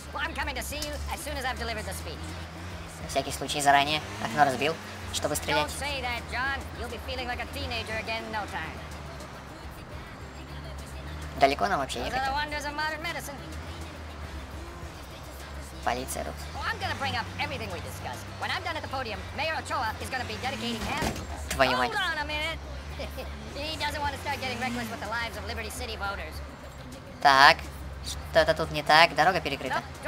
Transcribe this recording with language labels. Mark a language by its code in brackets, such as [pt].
[en] Well, I'm coming to see you as soon as I've delivered the speech. [ru] На всякий случай заранее окно разбил, чтобы стрелять. [en] Don't say that, John. You'll be feeling like a teenager again in no time. [ru] Далеко нам вообще ехать? [en] The wonders of modern medicine. [ru] Полиция тут. [en] Well, I'm gonna bring up everything we discussed. When I'm done at the podium, Mayor Ochoa is gonna be dedicating half. [ru] Твою мать. [en] Hold on a minute. He doesn't want to start getting reckless with the lives of Liberty City voters. [ru] Так, что-то тут не так. Дорога перекрыта. [en] Stop.